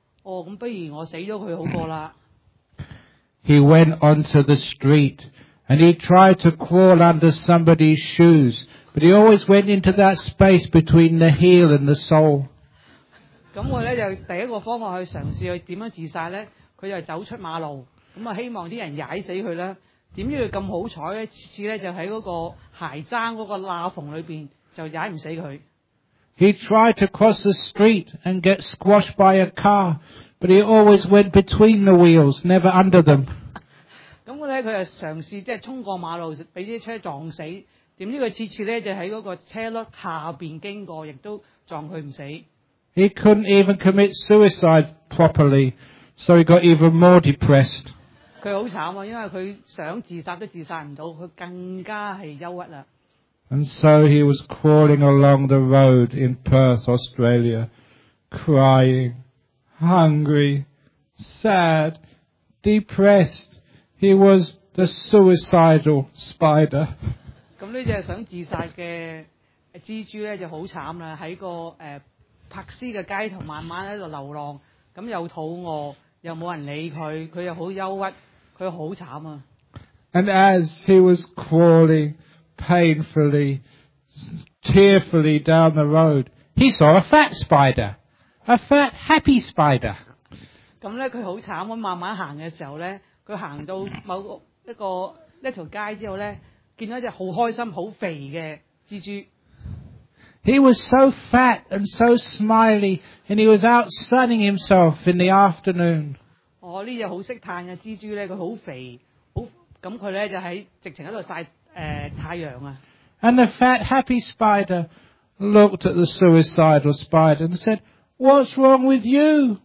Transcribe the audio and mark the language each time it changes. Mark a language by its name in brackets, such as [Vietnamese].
[Cantonese] 哦，咁不如我死咗佢好过啦。 [English] He went onto the street and he tried to crawl under somebody's shoes, but he always went into that space between the heel and the sole. [Cantonese] 咁我咧就第一个方法去尝试去点样自杀咧，佢就走出马路，咁啊希望啲人踩死佢啦。點解佢咁好彩咧？次次咧就喺嗰個鞋踭嗰個罅縫裏邊就踩唔死佢。 [English] He tried to cross the street and get squashed by a car, but he always went between the wheels, never under them. [Cantonese] 咁咧佢就嘗試即係衝過馬路，俾啲車撞死。點知佢次次咧就喺嗰個車轆下邊經過，亦都撞佢唔死。 [English] He couldn't even commit suicide properly, so he got even more depressed. [Cantonese] 佢好慘啊，因為佢想自殺都自殺唔到，佢更加係憂鬱啦。 [English] And so he was crawling along the road in Perth, Australia, crying, hungry, sad, depressed. He was the suicidal spider. [Cantonese] 咁呢只想自殺嘅蜘蛛咧就好慘啦，喺個柏斯嘅街頭慢慢喺度流浪，咁又肚餓，又冇人理佢，佢又好憂鬱，佢好慘啊。 [English] And as he was crawling painfully, tearfully down the road, he saw a fat spider, a fat, happy spider. [Cantonese] 咁咧佢好慘啊，慢慢行嘅時候咧，佢行到某一個一條街之後咧。見到一隻好開心、好肥嘅蜘蛛。 [English] He was so fat and so smiley, and he was out sunning himself in the afternoon. [Cantonese] 哦，呢只好識嘆嘅蜘蛛咧，佢好肥，好咁佢咧就喺直情喺度曬太陽啊。 [English] And the fat, happy spider looked at the suicidal spider and said, "What's wrong with you?